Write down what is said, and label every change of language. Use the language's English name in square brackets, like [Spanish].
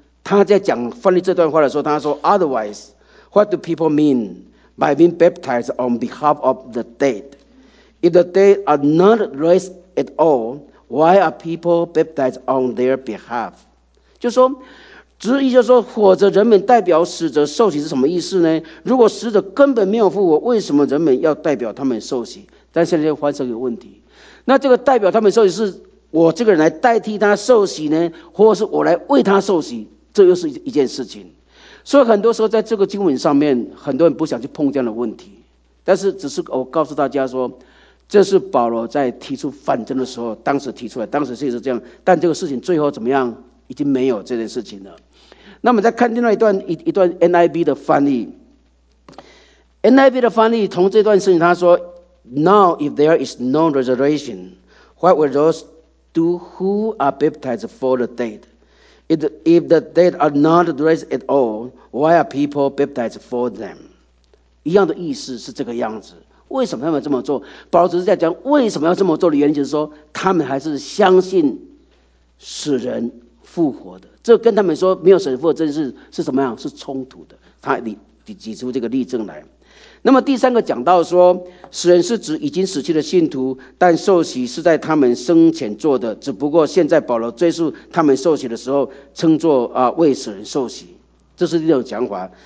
[Chinese] 他在讲翻译这段话的时候，他说 [English] Otherwise, what do people mean by being baptized on behalf of the dead? If the dead are not raised at all, why are people baptized on their behalf? [Chinese] 就说，直译就是说，活着人们代表死者受洗是什么意思呢？如果死者根本没有复活，为什么人们要代表他们受洗？但现在又发生一个问题，那这个代表他们受洗是我这个人来代替他受洗呢，或是我来为他受洗？这又是一件事情，所以很多时候在这个经文上面，很多人不想去碰这样的问题。但是，只是我告诉大家说，这是保罗在提出反证的时候，当时提出来，当时确实是这样。但这个事情最后怎么样，已经没有这件事情了。那我们再看另外一段 NIV 的翻译。 NIV 的翻译从这段事情，他说 [English] ：“Now if there is no resurrection, what will those do who are baptized for the dead?” If the dead are not raised at all, why are people baptized for them? [Chinese] 一样的意思是这个样子。为什么他们这么做？保罗只是在讲为什么要这么做的原因，就是说他们还是相信死人复活的。这跟他们说没有死人复活真是什么样？是冲突的。他举出这个例证来。那么第三个讲到说，死人是指已经死去的信徒，但受洗是在他们生前做的，只不过现在保罗追溯他们受洗的时候称作为死人受洗。这是一种讲法。